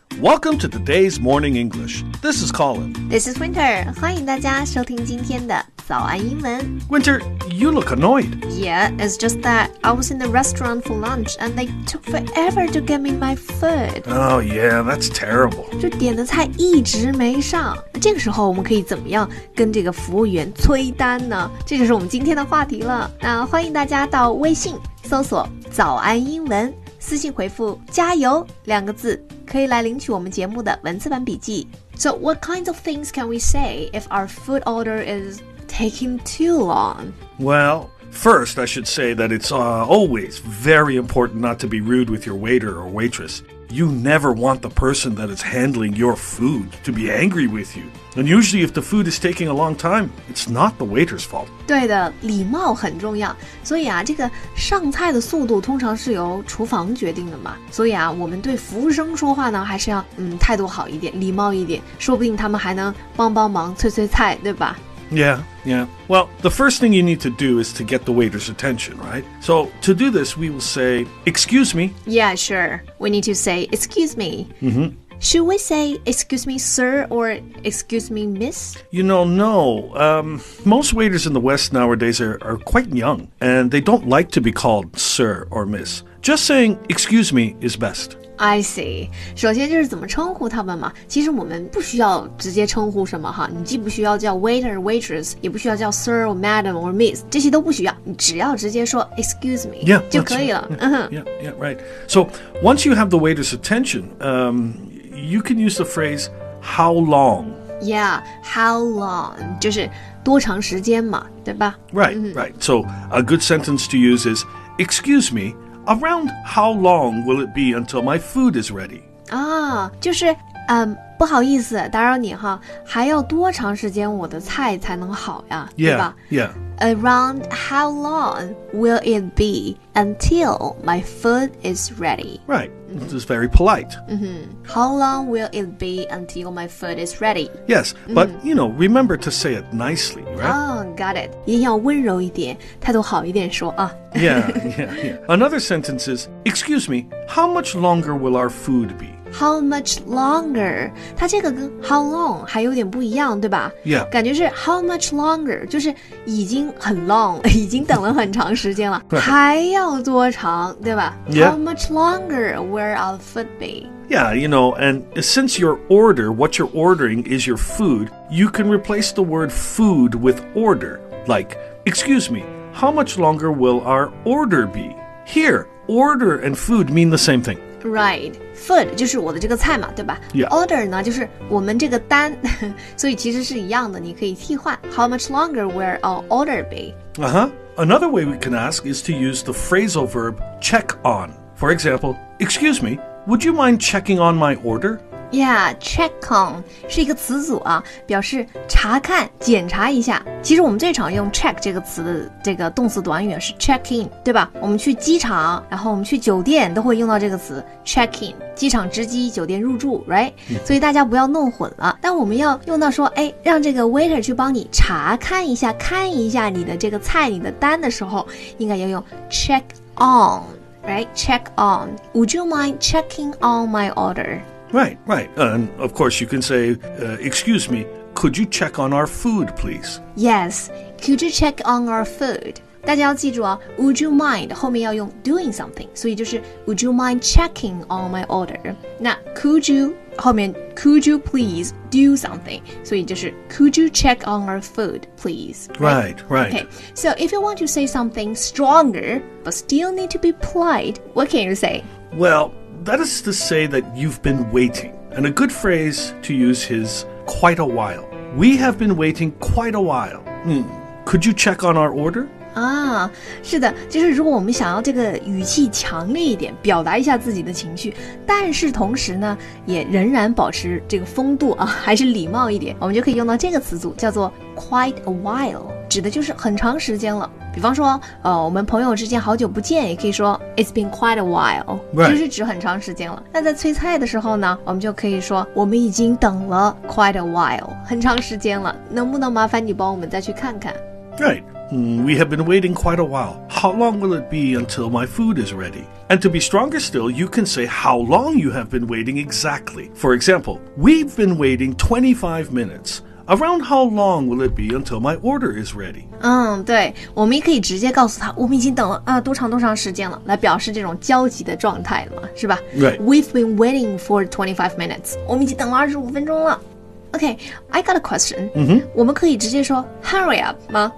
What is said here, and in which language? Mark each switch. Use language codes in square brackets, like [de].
[en] Welcome to today's Morning English. This is Colin. This is Winter. [zh] 欢迎大家收听今天的早安英文。 [en] Winter, you look annoyed. Yeah, it's just that I was in the restaurant for lunch and they took forever to get me my food. Oh, yeah, that's terrible. [zh] 就点的菜一直没上。那这个时候我们可以怎么样跟这个服务员催单呢？这就是我们今天的话题了。那欢迎大家到微信搜索早安英文。私信回复加油两个字可以来领取我们节目的文字版笔记。 [en] So what kinds of things can we say if our food order is taking too long? Well, first I should say that it's always very important not to be rude with your waiter or waitress. You never want the person that is handling your food to be angry with you. And usually if the food is taking a long time, it's not the waiter's fault. [zh] 对的，礼貌很重要。所以啊，这个上菜的速度通常是由厨房决定的嘛。所以啊，我们对服务生说话呢，还是要态度好一点，礼貌一点。说不定他们还能帮帮忙，催催菜，对吧？ [en] Yeah. Well, the first thing you need to do is to get the waiter's attention, right? So to do this, we will say, excuse me. Yeah, sure. We need to say, excuse me. Mm-hmm. Should we say, excuse me, sir, or excuse me, miss? You know, no. Most waiters in the West nowadays are quite young, and they don't like to be called sir or miss. Just saying, excuse me, is best. I see. [zh] 首先就是怎么称呼他们嘛。其实我们不需要直接称呼什么哈。你既不需要叫 waiter, waitress, 也不需要叫 [en] sir or madam or miss, [zh] 这些都不需要。你只要直接说 excuse me, [en] yeah, [zh] 就可以了。 [en] Yeah, right. So, once you have the waiter's attention, you can use the phrase, how long? Yeah, how long? [zh] 就是多长时间嘛，对吧？ [en] Right. So, a good sentence to use is, excuse me,Around how long will it be until my food is ready? [zh] 啊，就是，不好意思，打扰你哈，还要多长时间我的菜才能好呀，对吧？ [en] Yeah. Around how long will it be until my food is ready? Right. This is very polite. Mm-hmm. How long will it be until my food is ready? Yes, but, you know, remember to say it nicely, right? Oh, got it. [zh] 一定要温柔一点，态度好一点说啊。 [en] Yeah. Another sentence is, excuse me, how much longer will our food be? How much longer? [zh] 它这个跟 how long 还有点不一样，对吧？ [en] Yeah. [zh] 感觉是 [en] how much longer, [zh] 就是已经很 long, 已经等了很长时间了。还要多长，对吧？ [en] Yeah. How much longer will our food be? Yeah, you know, and since your order, what you're ordering is your food, you can replace the word food with order. Like, excuse me, how much longer will our order be? Here, order and food mean the same thing. [zh] Right, food 就是我的这个菜嘛，对吧？ [en] Yeah. [zh] Order 呢，就是我们这个单，所以其实是一样的，你可以替换。 [en] How much longer will our order be? Uh-huh. Another way we can ask is to use the phrasal verb check on. For example, excuse me, would you mind checking on my order? [zh] Yeah, check on 是一个词组啊，表示查看、检查一下。其实我们最常用 check 这个词的这个动词短语是 check in, 对吧？我们去机场，然后我们去酒店都会用到这个词 check in, 机场值机，酒店入住 ，right?、 Mm. 所以大家不要弄混了。但我们要用到说，哎，让这个 waiter 去帮你查看一下，看一下你的这个菜、你的单的时候，应该要用 check on, right? [en] Check on. Would you mind checking on my order? Right. And of course, you can say, excuse me, could you check on our food, please? Yes, could you check on our food? [zh] 大家要记住啊 [en] would you mind, [zh] 后面要用 [en] doing something. [zh] 所以就是 [en] would you mind checking on my order? 那 could you, [zh] 后面 [en] could you please do something? [zh] 所以就是 [en] could you check on our food, please? Right. Okay, so if you want to say something stronger, but still need to be polite, what can you say? Well... That is to say that you've been waiting. And a good phrase to use is quite a while. We have been waiting quite a while. Could you check on our order? [zh] 啊，是的，就是如果我们想要这个语气强烈一点，表达一下自己的情绪，但是同时呢，也仍然保持这个风度啊，还是礼貌一点，我们就可以用到这个词组，叫做 [en] quite a while, [zh] 指的就是很长时间了。比方说我们朋友之间好久不见也可以说 [en] It's been quite a while、 right. [zh] 就是指很长时间了那在催菜的时候呢我们就可以说我们已经等了 [en] quite a while [zh] 很长时间了能不能麻烦你帮我们再去看看 [en] Right, We have been waiting quite a while. How long will it be until my food is ready? And to be stronger still, you can say how long you have been waiting exactly. For example, we've been waiting 25 minutes. Around how long will it be until my order is ready? [zh] 对，我们也可以直接告诉他，我们已经等了多长多长时间了，来表示这种焦急的状态嘛，是吧？ [en] Right. We've been waiting for 25 minutes. [zh] 我们已经等了25分钟了。 [en] Okay, I got a question. Mm-hmm. [zh] 我们可以直接说 [en] hurry up [zh] 吗？